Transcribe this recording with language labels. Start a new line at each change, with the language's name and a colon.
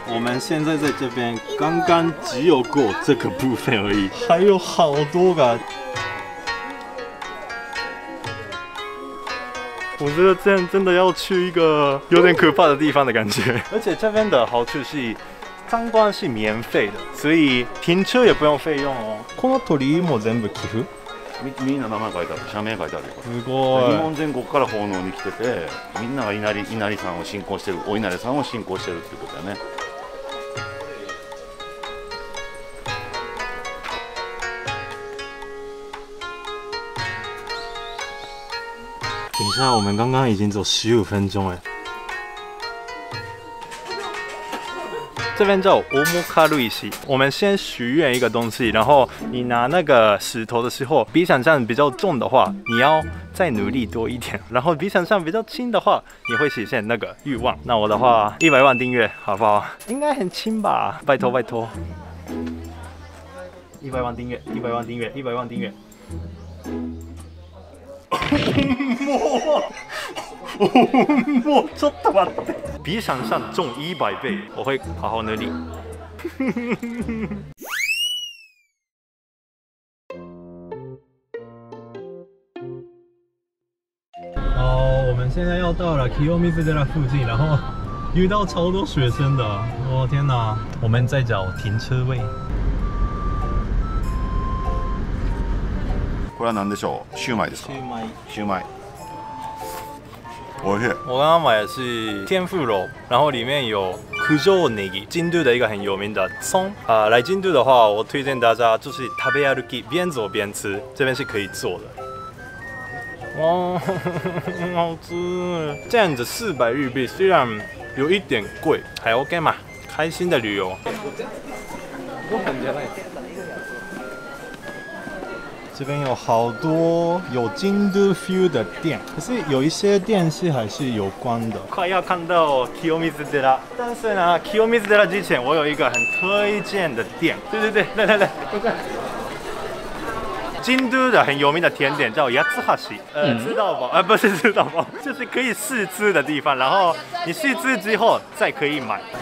Chinese: 我们现在在这边刚刚只有过这个部分而已，还有好多个。我觉得这样真的要去一个有点可怕的地方的感觉。而且这边的好处是参观是免费的，所以停车也不用费用哦。
Japanese: この鳥居も全部寄付？みんな名前書いてある、社名書いてある。すごい。日本全国から奉納に来てて、みんなが稲荷さんを信仰してる、お稲荷さんを信仰してるっていうことだね。
Chinese: 等一下、我们刚刚已经走十五分钟哎。这边叫欧姆卡路易西，我们先许愿一个东西，然后你拿那个石头的时候，比想象比较重的话，你要再努力多一点；然后比想象比较轻的话，你会实现那个欲望。那我的话，一百万订阅好不好？应该很轻吧？拜托拜托！一百万订阅，一百万订阅，一百万订阅。一百万订阅
Japanese: もうちょっと待って。
Chinese: 比想象中一百倍，我会好好努力。好，我们现在要到了清水寺附近，然后遇到超多学生的，我天哪！我们在找停车位。
Japanese: これは何でしょう？シュウマイですか？シュウマイ。シュウマイ。おいしい。
Chinese: 我刚刚买的是天妇罗，然后里面有九条ネギ，京都的一个很有名的葱。啊，来京都的话，我推荐大家就是食べ歩き，边走边吃，这边是可以做的。哇，好吃！这样子四百日币，虽然有一点贵，还 OK 嘛，开心的旅游。我感觉呢。这边有好多有京都 feel 的店，可是有一些店是还是有关的。快要看到清水寺了，但是呢，清水寺之前我有一个很推荐的店。对对对，来来来，京都的很有名的甜点叫八つ橋，知道吧？不是知道吧？就是可以试吃的地方，然后你试吃之后再可以买。